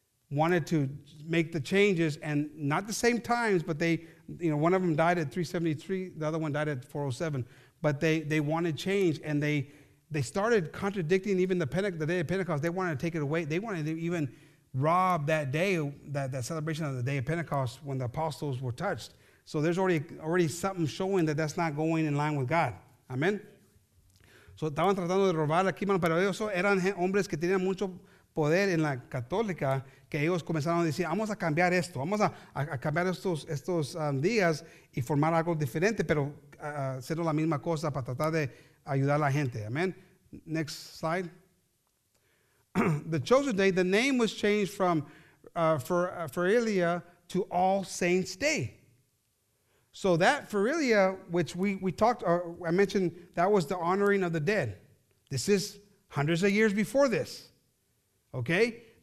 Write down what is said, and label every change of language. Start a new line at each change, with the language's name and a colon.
English: wanted to make the changes, and not the same times, but they, you know, one of them died at 373, the other one died at 407, but they wanted change, and they started contradicting even the day of Pentecost. They wanted to take it away. They wanted to even rob that day, that celebration of the day of Pentecost when the apostles were touched. So there's already something showing that that's not going in line with God. Amen.
Spanish: So estaban tratando de robar aquí, pero ellos eran hombres que tenían mucho poder en la católica, que ellos comenzaron a decir, vamos a cambiar esto, vamos a cambiar estos días y formar algo diferente, pero hacer la misma cosa para tratar de ayudar a la gente.
English: Amen. Next slide. The chosen day, the name was changed from Feralia to All Saints Day. So that Feralia, which we talked, I mentioned, that was the honoring of the dead. This is hundreds of years before this. Okay?